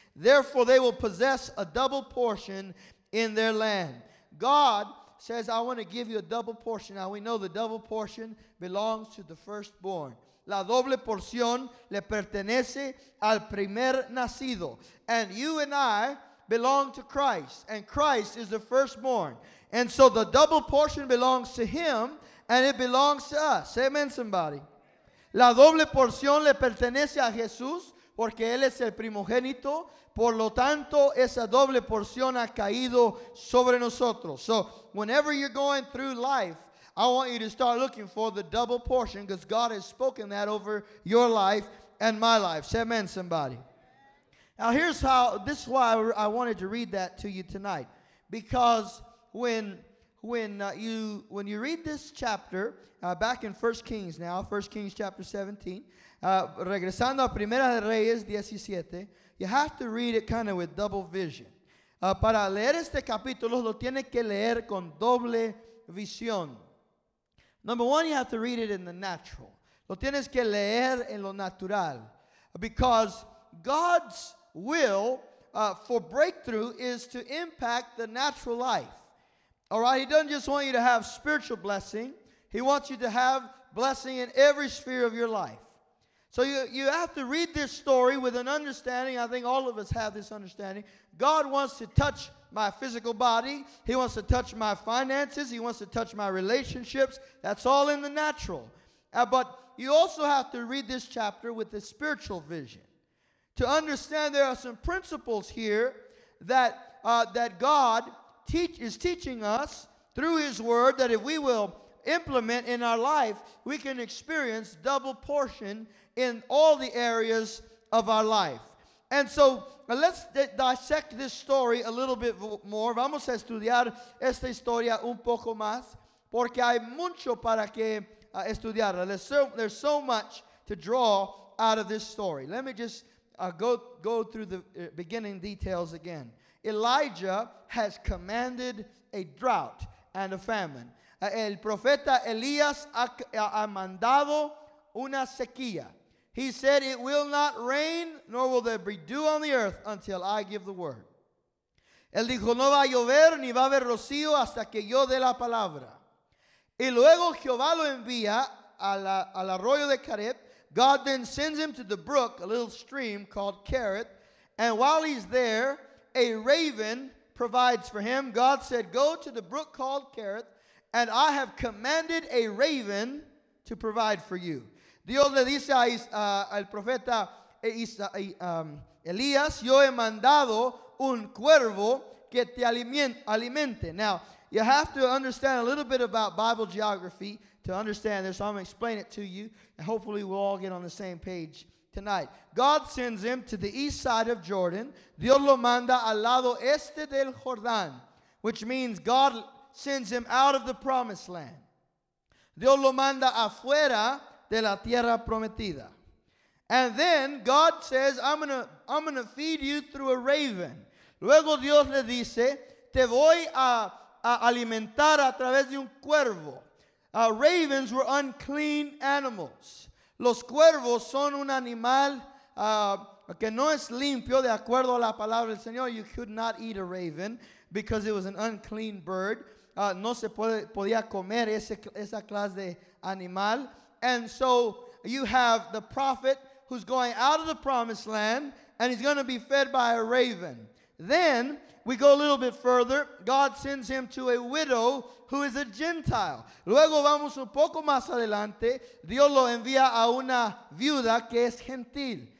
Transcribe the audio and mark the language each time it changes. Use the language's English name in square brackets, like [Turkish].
[English] Therefore, they will possess a double portion in their land. God says, I want to give you a double portion. Now, we know the double portion belongs to the firstborn. [Spanish] La doble porción le pertenece al primer nacido. [English] And you and I belong to Christ. And Christ is the firstborn. And so the double portion belongs to him, and it belongs to us. Say amen, somebody. [Spanish] La doble porción le pertenece a Jesús, porque él es el primogénito. Por lo tanto, esa doble porción ha caído sobre nosotros. [English] So, whenever you're going through life, I want you to start looking for the double portion because God has spoken that over your life and my life. Say amen, somebody. Now, this is why I wanted to read that to you tonight. Because when you read this chapter, back in 1 Kings now, 1 Kings chapter 17, [Spanish] regresando a Primera de Reyes 17, [English] you have to read it kind of with double vision. [Spanish] Para leer este capítulo, lo tiene que leer con doble visión. [English] Number one, you have to read it in the natural. [Spanish] Lo tienes que leer en lo natural. [English] Because God's will for breakthrough is to impact the natural life. All right, he doesn't just want you to have spiritual blessing. He wants you to have blessing in every sphere of your life. So you have to read this story with an understanding. I think all of us have this understanding. God wants to touch my physical body. He wants to touch my finances. He wants to touch my relationships. That's all in the natural. But you also have to read this chapter with a spiritual vision to understand there are some principles here that that God is teaching us through his word, that if we will implement in our life, we can experience double portion in all the areas of our life. And so let's dissect this story a little bit more. [Spanish] Vamos a estudiar esta historia un poco más, porque hay mucho para que estudiarla. [English] There's so much to draw out of this story. Let me just go through the beginning details again. Elijah has commanded a drought and a famine. [Spanish] El profeta Elías ha mandado una sequía. [English] He said, it will not rain, nor will there be dew on the earth until I give the word. [Spanish] Él dijo, no va a llover, ni va a haber rocío hasta que yo dé la palabra. Y luego Jehová lo envía al arroyo de Carib. [English] God then sends him to the brook, a little stream called Carib. And while he's there, a raven provides for him. God said, go to the brook called Carib. And I have commanded a raven to provide for you. [Spanish] Dios le dice al profeta Elías, yo he mandado un cuervo que te alimente. [English] Now, you have to understand a little bit about Bible geography to understand this. So I'm going to explain it to you. And hopefully we'll all get on the same page tonight. God sends him to the east side of Jordan. [Spanish] Dios lo manda al lado este del Jordán, [English] which means God sends him out of the promised land. [Spanish] Dios lo manda afuera de la tierra prometida. [English] And then God says, I'm gonna feed you through a raven. [Spanish] Luego Dios le dice, te voy a alimentar a través de un cuervo. [English] Ravens were unclean animals. [Spanish] Los cuervos son un animal que no es limpio, de acuerdo a la palabra del Señor. [English] You could not eat a raven because it was an unclean bird. [Spanish] No se podía comer esa clase de animal. [English] And so you have the prophet who's going out of the promised land and he's going to be fed by a raven. Then we go a little bit further. God sends him to a widow who is a Gentile. [Spanish] Luego vamos un poco más adelante. Dios lo envía a una viuda que es gentil.